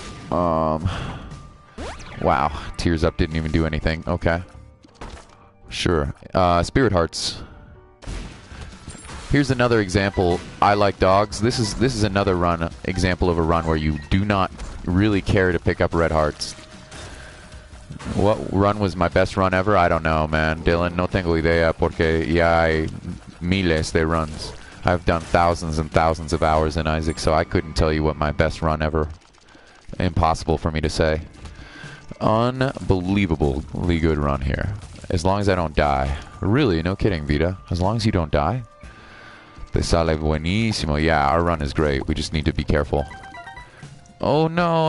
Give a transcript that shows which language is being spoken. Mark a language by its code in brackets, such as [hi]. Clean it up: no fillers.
[en] Wow, Tears Up didn't even do anything. Okay. Sure. Spirit Hearts. Here's another example. I like dogs. This is another run example of a run where you do not really care to pick up red hearts. What run was my best run ever? I don't know, man. [es] Dylan, no tengo idea porque ya hay miles de runs. [en] I've done thousands and thousands of hours in Isaac, so I couldn't tell you what my best run ever. Impossible for me to say. Unbelievably good run here. As long as I don't die. Really, no kidding, Vita. As long as you don't die. [es] Te sale buenísimo. [en] Yeah, our run is great. We just need to be careful. Oh, no.